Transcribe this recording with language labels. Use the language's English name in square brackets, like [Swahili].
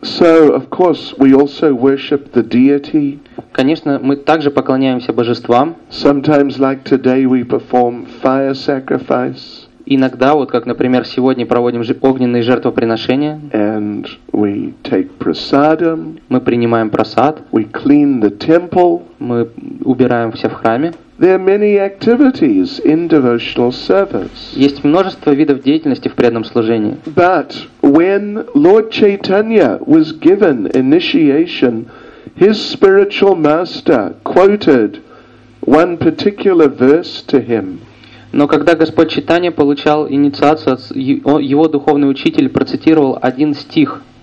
[English] So, of course, we also worship the deity. [Russian] Конечно, мы также поклоняемся божествам. [English] Sometimes, like today, we perform fire sacrifice. [Russian] Иногда, вот как, например, сегодня проводим огненные жертвоприношения. [English] And we take prasadam. [Russian] Мы принимаем прасад. [English] We clean the temple. [Russian] Мы убираем все в храме. [English] There are many activities in devotional service. [Russian] Есть множество видов деятельности в преданном служении. [English] But when Lord Chaitanya was given initiation, his spiritual master quoted one particular verse to him. [Russian] Но когда Господь Чайтанья получал инициацию, его духовный учитель процитировал один стих.